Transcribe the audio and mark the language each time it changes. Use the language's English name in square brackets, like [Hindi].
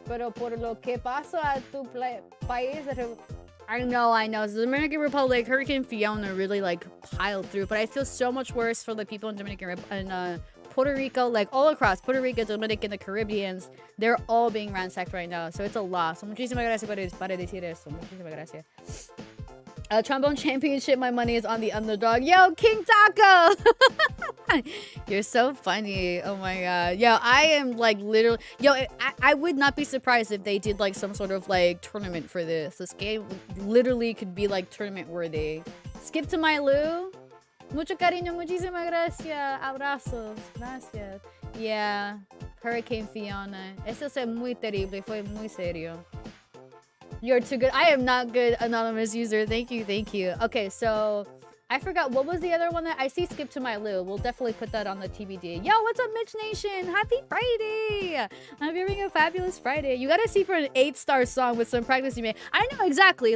[Spanish] Pero por lo que pasó a tu país. [English] I know. The Dominican Republic, Hurricane Fiona really like piled through. But I feel so much worse for the people in Dominican Republic. Puerto Rico, like all across Puerto Rico, Dominican, the Caribbeans, they're all being ransacked right now. So it's a loss. [Spanish] So muchísimas gracias por decir eso. Muchísimas gracias. [English] Trombone Championship, my money is on the underdog. Yo, King Taco! You're so funny. Oh my god. Yo, I am like literally... Yo, I would not be surprised if they did like some sort of like tournament for this. This game literally could be like tournament worthy. Skip to my Lou. [Spanish] Mucho cariño, muchísimas gracias. Abrazos, gracias. Yeah, Hurricane Fiona. Eso es muy terrible, fue muy serio. [English] You're too good. I am not good, anonymous user. Thank you, thank you. Okay, so I forgot. What was the other one that I see? Skip to my Lou. We'll definitely put that on the TBD. Yo, what's up, Mitch Nation? Happy Friday. I'm having a fabulous Friday. You got to see for an 8-star song with some practice you made. I know exactly.